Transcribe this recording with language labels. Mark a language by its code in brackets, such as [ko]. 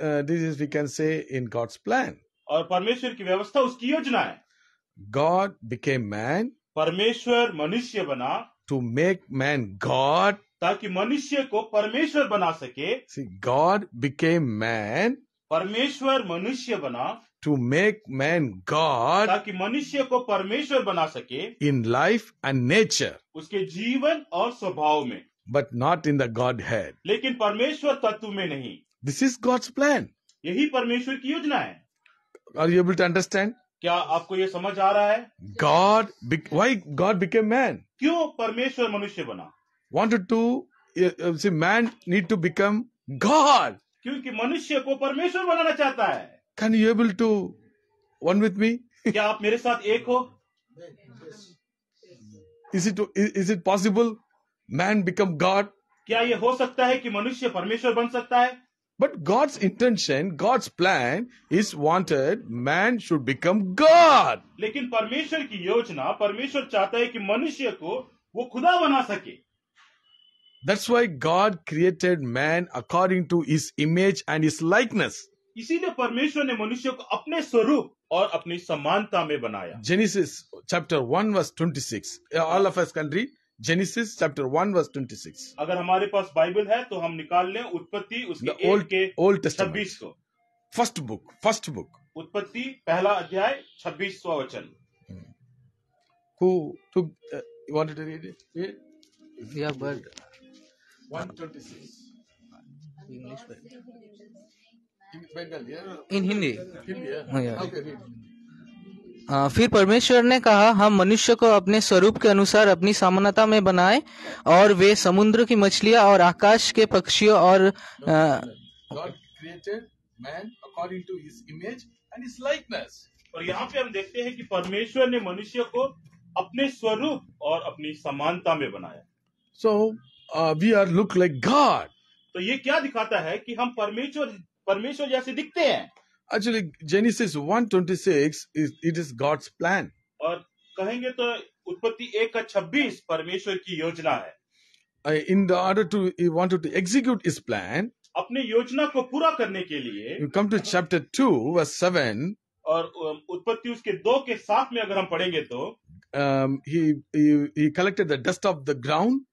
[en] This is we can say in God's plan. [hi] और परमेश्वर की व्यवस्था उसकी योजना है. [en] God became man. [hi] परमेश्वर मनुष्य बना. [en] To make man God. [hi] ताकि मनुष्य को परमेश्वर बना सके. [en] See, God became man. [hi] परमेश्वर मनुष्य बना. [en] To make man God. [hi] ताकि मनुष्य को परमेश्वर बना सके. [en] In life and nature. [hi] उसके जीवन और स्वभाव में. [en] but not in the Godhead. [hi] लेकिन परमेश्वर तत्व में नहीं. [en] This is God's plan. [hi] यही परमेश्वर की योजना है. [en] Are you able to understand? [hi] क्या आपको ये समझ आ रहा है? [en] God, why God became man? [hi] क्यों परमेश्वर मनुष्य बना? [en] Wanted to see man need to become God. [hi] क्योंकि मनुष्य को परमेश्वर बनाना चाहता है. [en] Can you able to one with me? [hi] क्या आप मेरे साथ एक हो? [en] Is it possible man become God? [hi] क्या ये हो सकता है कि मनुष्य परमेश्वर बन सकता है? [en] But God's intention, God's plan is wanted man should become God. [hi] लेकिन परमेश्वर की योजना, परमेश्वर चाहता है कि मनुष्य को वो खुदा बना सके. [en] That's why God created man according to his image and his likeness. [hi] इसीलिए परमेश्वर ने मनुष्य को अपने स्वरूप और अपनी समानता में बनाया. [en] Genesis chapter 1 verse 26. All of us can read. Genesis chapter 1 verse 26. [hi] अगर हमारे पास बाइबल है तो हम निकाल लें उत्पत्ति उसके [en] old [hi] के [en] Old testament 26 को. First book [hi] उत्पत्ति पहला अध्याय 26वां वचन. [en] Who took you wanted to read it? Yeah, yeah but 126 English word. In Hindi. [hi] फिर परमेश्वर ने कहा हम मनुष्य को अपने स्वरूप के अनुसार अपनी समानता में बनाए और वे समुद्र की मछलियां और आकाश के पक्षियों और [en] God created man according to his image and his likeness. [hi] और यहाँ पे हम देखते हैं कि परमेश्वर ने मनुष्य को अपने स्वरूप और अपनी समानता में बनाया. [en] So we are look like God. [hi] तो ये क्या दिखाता है कि हम परमेश्वर जैसे दिखते हैं. [en] Actually, Genesis 1:26 it is God's plan. [hi] और कहेंगे तो उत्पत्ति 1:26 परमेश्वर की योजना है. [en] In the order to he wanted to execute his plan. [hi] अपने योजना को पूरा करने के लिए. [en] You come to chapter 2 verse 7. [hi] और उत्पत्ति उसके 2:7 में अगर हम पढ़ेंगे तो. [en] He collected the dust of the ground.